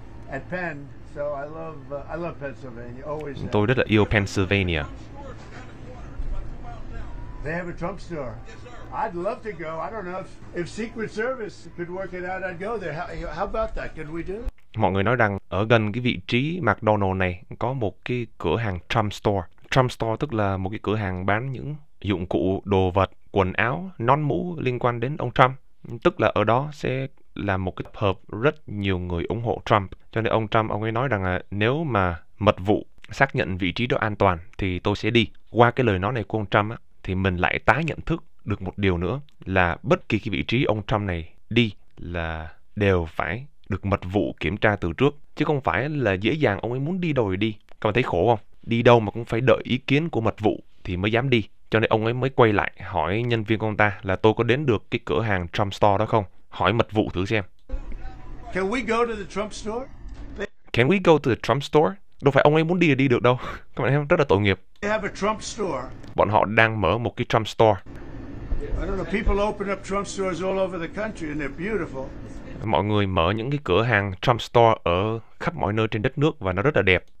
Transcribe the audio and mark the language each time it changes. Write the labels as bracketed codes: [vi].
[en] At Penn, so I love Pennsylvania. Always. [vi] Tôi rất là yêu Pennsylvania. [en] They have a Trump store. I'd love to go. I don't know if Secret Service could work it out. I'd go there. How about that? Can we do? [vi] Mọi người nói rằng ở gần cái vị trí McDonald's này có một cái cửa hàng Trump store. Trump store tức là một cái cửa hàng bán những dụng cụ, đồ vật, quần áo, nón mũ liên quan đến ông Trump. Tức là ở đó sẽ là một cái tập hợp rất nhiều người ủng hộ Trump. Cho nên ông Trump, ông ấy nói rằng là nếu mà mật vụ xác nhận vị trí đó an toàn thì tôi sẽ đi. Qua cái lời nói này của ông Trump á, thì mình lại tái nhận thức được một điều nữa, là bất kỳ cái vị trí ông Trump này đi là đều phải được mật vụ kiểm tra từ trước, chứ không phải là dễ dàng ông ấy muốn đi đâu rồi đi. Các bạn thấy khổ không? Đi đâu mà cũng phải đợi ý kiến của mật vụ thì mới dám đi. Cho nên ông ấy mới quay lại hỏi nhân viên của ông ta là tôi có đến được cái cửa hàng Trump Store đó không? Hỏi mật vụ thử xem. [en] Can we go to the Trump store? Can we go to the Trump store? [vi] Đâu phải ông ấy muốn đi là đi được đâu. Các bạn thấy không? Rất là tội nghiệp. [en] They have a Trump store. [vi] Bọn họ đang mở một cái Trump store. [en] I don't know, people open up Trump stores all over the country and they're beautiful. [vi] Mọi người mở những cái cửa hàng Trump store ở khắp mọi nơi trên đất nước và nó rất là đẹp.